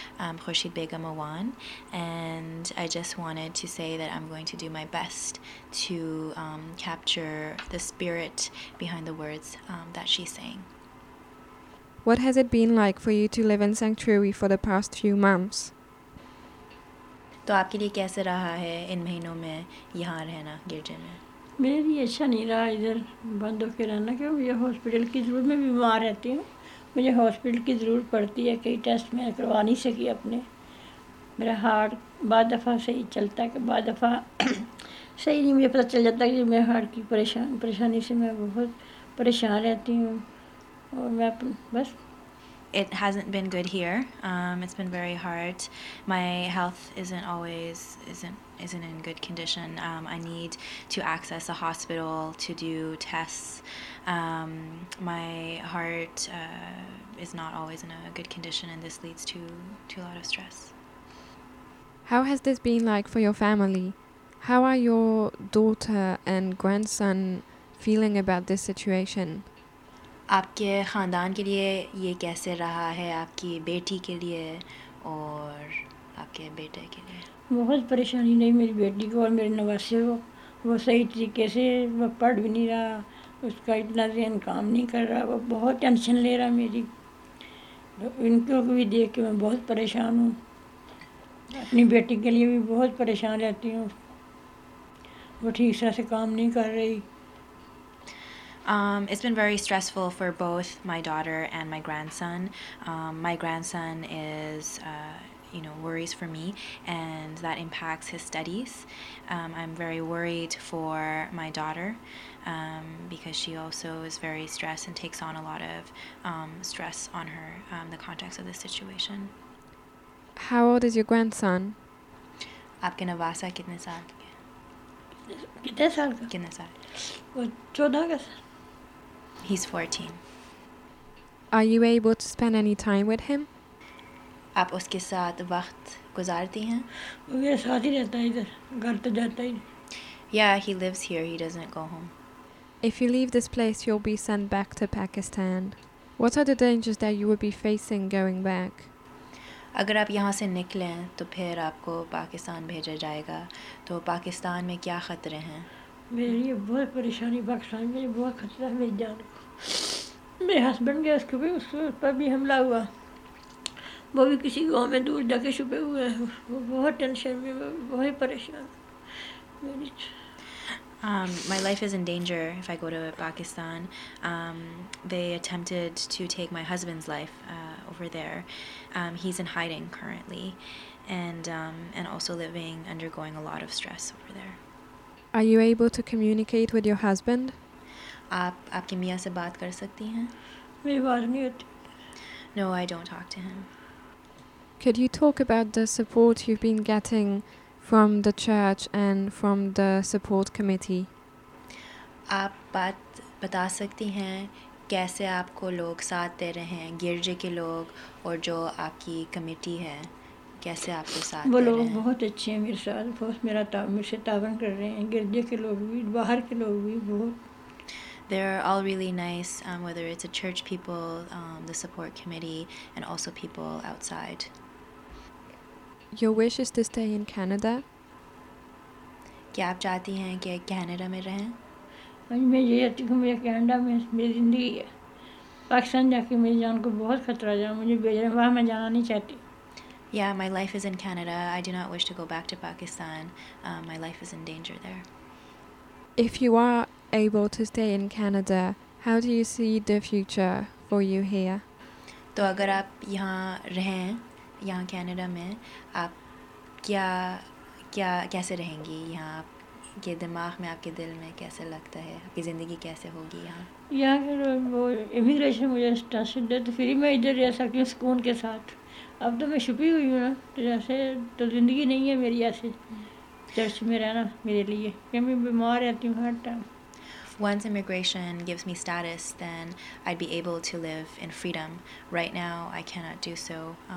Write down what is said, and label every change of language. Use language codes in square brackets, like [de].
[en] Khurshid Begum Awan, and I just wanted to say that I'm going to do my best to capture the spirit behind the words that she's saying. What has it been like for you to live in sanctuary for the past few months? [hi] तो आपके लिए कैसे रहा है इन महीनों में यहाँ रहना गिरजे में मेरे लिए अच्छा नहीं रहा इधर बंद होकर रहना क्योंकि मुझे हॉस्पिटल की जरूरत मैं बीमार रहती हूँ मुझे हॉस्पिटल की ज़रूरत पड़ती है कई टेस्ट मैं करवा नहीं सकी अपने मेरा हार्ट बार दफ़ा सही चलता है कि बार दफ़ा सही नहीं मुझे पता चल जाता कि मेरे हार्ट की परेशानी से मैं बहुत परेशान रहती हूँ और मैं बस [en] It hasn't been good here. It's been very hard. My health isn't always in good condition. I need to access a hospital to do tests. My heart is not always in a good condition, and this leads to a lot of stress. How has this been like for your family? How are your daughter and grandson feeling about this situation? [hi] आपके ख़ानदान के लिए ये कैसे रहा है आपकी बेटी के लिए और आपके बेटे के लिए बहुत परेशानी नहीं मेरी बेटी को और मेरे नवासे को वो सही तरीके से वो पढ़ भी नहीं रहा उसका इतना ध्यान काम नहीं कर रहा वो बहुत टेंशन ले रहा मेरी इनको भी देख के मैं बहुत परेशान हूँ अपनी बेटी के लिए भी बहुत परेशान रहती हूँ वो ठीक तरह से काम नहीं कर रही [en] It's been very stressful for both my daughter and my grandson. My grandson is, worries for me, and that impacts his studies. I'm very worried for my daughter because she also is very stressed and takes on a lot of stress on her in the context of this situation. How old is your grandson? [hi] आपके नवासा कितने साल कितने साल कितने साल चौदह का साल [en] He's 14. Are you able to spend any time with him? [hi] आप उसके साथ वक्त गुजारती हैं? वो मेरे साथ ही रहता है इधर, घर तो जाता ही। [en] Yeah, he lives here. He doesn't go home. If you leave this place, you'll be sent back to Pakistan. What are the dangers that you would be facing going back? [hi] अगर आप यहाँ से निकलें, तो फिर आपको पाकिस्तान भेजा जाएगा। तो पाकिस्तान में क्या खतरे हैं? मेरे लिए बहुत परेशानी पाकिस्तान में बहुत खतरा है मेरी जान को मेरे हस्बैंड के उसके भी उस पर भी हमला हुआ वो भी किसी गांव में दूर जाके छुपे हुए हैं वो बहुत टेंशन में बहुत परेशान मेरी [en] My life is in danger if I go to Pakistan. They attempted to take my husband's life over there. He's in hiding currently and also living undergoing a lot of stress over there. Are you able to communicate with your husband? [hi] आपके मियाँ से बात कर सकती हैं? मेरी बात नहीं होती। [en] No, I don't talk to him. Could you talk about the support you've been getting from the church and from the support committee? [hi] आप बात बता सकती हैं कैसे आपको लोग साथ दे रहे हैं गिरजे के लोग और जो आपकी कमेटी है कैसे आपको साथ वो लोग बहुत अच्छे हैं मेरे साथ बहुत मेरा मेरे से तावन कर रहे हैं गिरजे के लोग भी बाहर के लोग भी बहुत [en] They're all really nice, whether it's a church people, the support committee, and also people outside. Your wish is to stay in Canada? [hi] क्या आप चाहती हैं कि कनाडा में रहें? मैं ये चाहती हूँ मेरे कनाडा में मेरी जिंदगी है पाकिस्तान जाके मेरी जान को बहुत खतरा जाए मुझे भेज रहे वहाँ मैं जाना नहीं चाहती [en] Yeah, my life is in Canada. I do not wish to go back to Pakistan. My life is in danger there. If you are able to stay in Canada, how do you see the future for you here? [hi] तो अगर आप यहाँ रहें, यहाँ Canada में, आप कैसे रहेंगी यहाँ? आपके दिमाग में, आपके दिल में कैसे लगता है? आपकी ज़िंदगी कैसे होगी यहाँ? यहाँ के वो इमिग्रेशन मुझे स्टार्ट दे तो फिर मैं इधर रह सकती हूँ सुकून के साथ अब तो मैं छुपी हुई हूँ ना तो जैसे तो ज़िंदगी नहीं है मेरी ऐसे चर्च में रहना मेरे लिए क्योंकि मैं बीमार रहती हूँ हर time [en] Once immigration gives me status, then I'd be able to live in freedom. Right now, I cannot do so.